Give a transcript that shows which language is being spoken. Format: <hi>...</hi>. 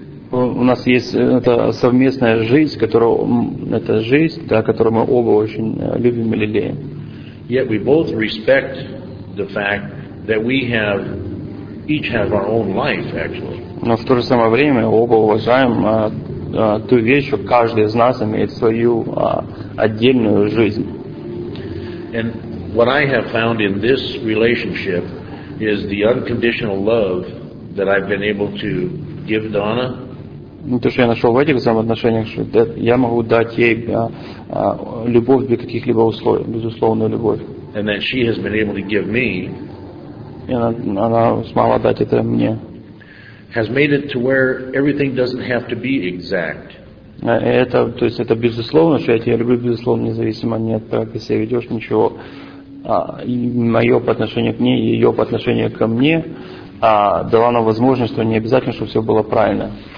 <ru>У нас есть это совместная жизнь, которую это жизнь, да, которую мы оба очень любим и лелеем.</ru> <en>Yet we both respect the fact that we have each have our own life actually.</en> <ru>Но в то же самое время оба уважаем ту вещь, что каждый из нас имеет свою отдельную жизнь.</ru> <en>And what I have found in this relationship is the unconditional love that I've been able to give Donna.</en> <ru>То, что я нашел в этих взаимоотношениях, что я могу дать ей любовь без каких-либо условий, безусловную любовь.</ru> <en>And that she has been able to give me,</en> <ru>и она смогла дать это мне.</ru> <en>Has made it to where everything doesn't have to be exact.</en> <ru>Это безусловно, что я тебя люблю безусловно, независимо ни от того, как ты себя ведешь, ничего. И мое по отношению к ней, и ее по отношению ко мне дала нам возможность, что не обязательно, чтобы все было правильно.</ru>